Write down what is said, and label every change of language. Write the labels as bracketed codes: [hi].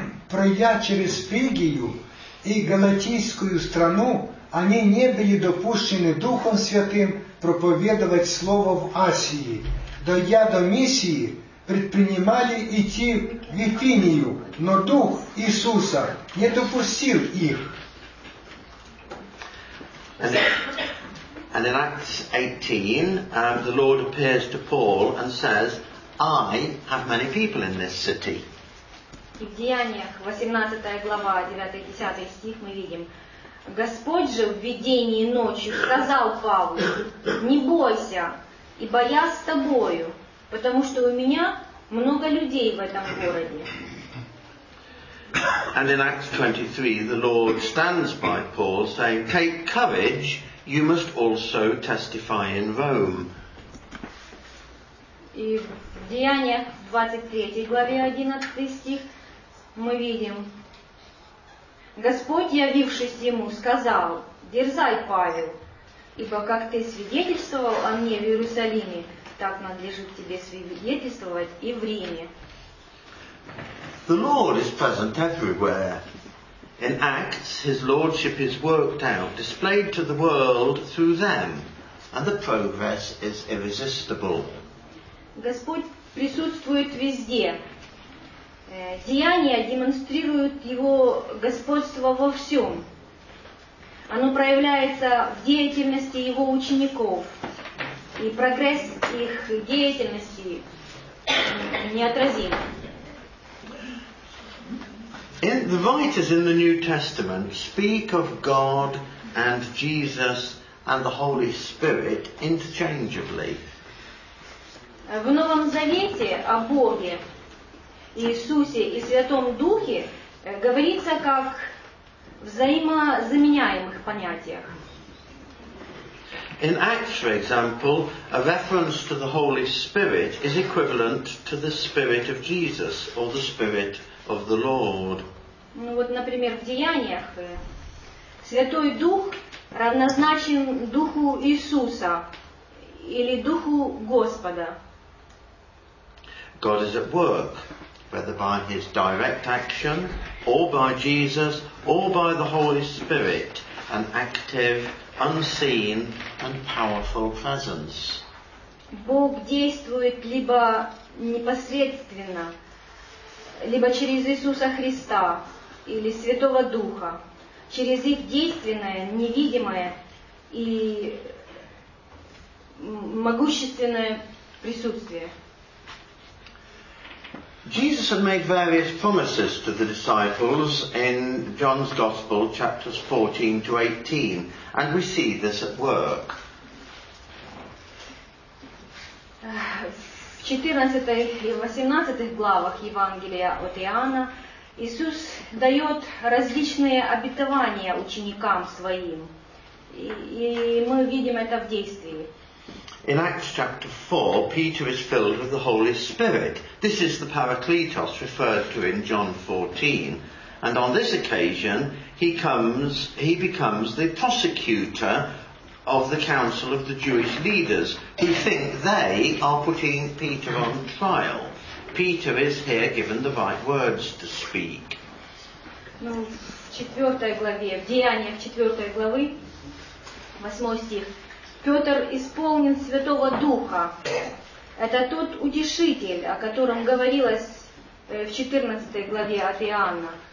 [ru] Пройдя через Фригию и Галатийскую страну, они не были допущены Духом Святым проповедовать Слово в Асии. Дойдя до Мисии, предпринимали идти в Вифинию, но Дух Иисуса не допустил их. [en] And in Acts 18, the Lord appears to Paul and says, I have many people in this city. [ru] И в Деяниях, 18 глава, 9-10 стих, мы видим, Господь же в видении ночью сказал Павлу, не бойся, ибо я с тобою, потому что у меня много людей в этом городе. [en] And in Acts 23, the Lord stands by Paul, saying, take courage, you must also testify in Rome. [ru] И в Деяниях, 23 главе, 11 стих, мы видим, Господь, явившись ему, сказал, дерзай, Павел, ибо как ты свидетельствовал о мне в Иерусалиме, так надлежит тебе свидетельствовать и в Риме. [en] The Lord is present everywhere. In Acts, his lordship is worked out, displayed to the world through them, and the progress is irresistible. [ru] Господь присутствует везде. Деяния демонстрируют его господство во всем. Оно проявляется в деятельности его учеников, и прогресс их деятельности неотразим. [en] In the writers in the New Testament speak of God and Jesus and the Holy Spirit interchangeably. [ru] В Новом Завете о Боге, Иисусе и Святом Духе говорится как взаимозаменяемых понятиях. [en] In Acts, for example, a reference to the Holy Spirit is equivalent to the Spirit of Jesus or the Spirit of the Lord. [ru] Ну вот, например, в Деяниях Святой Дух равнозначен Духу Иисуса или Духу Господа. [en] God is at work, whether by his direct action, or by Jesus, or by the Holy Spirit, an active, unseen, and powerful presence. [ru] Бог действует либо непосредственно, либо через Иисуса Христа, или Святого Духа, через их действенное, невидимое и могущественное присутствие. [en] Jesus had made various promises to the disciples in John's Gospel, chapters 14 to 18, and we see this at work. [ru] В 14 и 18 главах Евангелия от Иоанна Иисус дает различные обетования ученикам своим, и мы видим это в действии. [en] In Acts chapter 4, Peter is filled with the Holy Spirit. This is the Parakletos referred to in John 14. And on this occasion, he becomes the prosecutor of the council of the Jewish leaders, who think they are putting Peter on trial. Peter is here given the right words to speak. [ru] Ну, в 4 главе, в Деяниях 4 главы, 8 стих, Петр исполнен Святого Духа. Это тот утешитель, о котором говорилось в 14 главе от Иоанна.